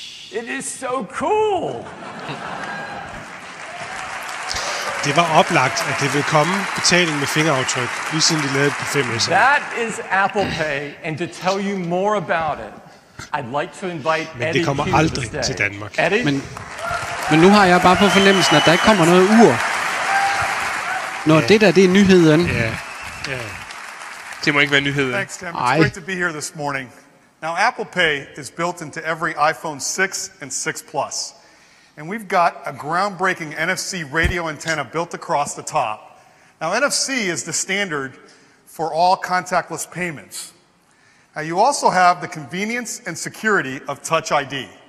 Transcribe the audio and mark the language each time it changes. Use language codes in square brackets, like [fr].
[en] It is so cool. [da] Det var oplagt, at det ville komme betaling med fingeraftryk, lige siden de lavede det på 5S. [en] That is Apple Pay, and to tell you more about it, I'd like to invite [da] Men [en] Eddie [da] det kommer aldrig til Danmark. [en] Eddie? [da] Men nu har jeg bare på fornemmelsen, at der ikke kommer noget ur. Når yeah. det er nyheden. Ja. Yeah. [en] Yeah. [da] Det må ikke være nyheden. [en] Thanks, Tim. It's great to be here this morning. Now, Apple Pay is built into every iPhone 6 and 6 Plus. And we've got a groundbreaking NFC radio antenna built across the top. Now, NFC is the standard for all contactless payments. Now, you also have the convenience and security of Touch ID.